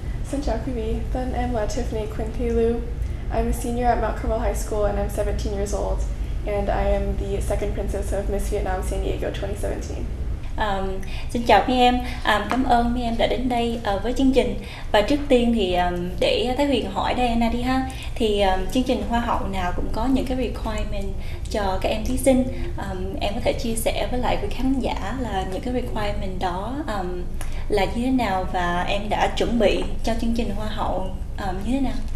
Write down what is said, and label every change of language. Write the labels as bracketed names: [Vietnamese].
[Vietnamese] Xin chào quý vị, tên em là Tiffany Quinn Pilu. [English] I'm a senior at Mount Carmel High School and I'm 17 years old. And I am the second princess of Miss Vietnam San Diego 2017. [Vietnamese] Xin chào mấy em, cảm ơn mấy em đã đến đây với chương trình. Và trước tiên thì để Thái Huyền hỏi Diana đi ha. Thì chương trình Hoa hậu nào cũng có những cái requirement cho các em thí sinh. Em có thể chia sẻ với lại quý khán giả là những cái requirement đó là như thế nào và em đã chuẩn bị cho chương trình Hoa hậu như thế nào?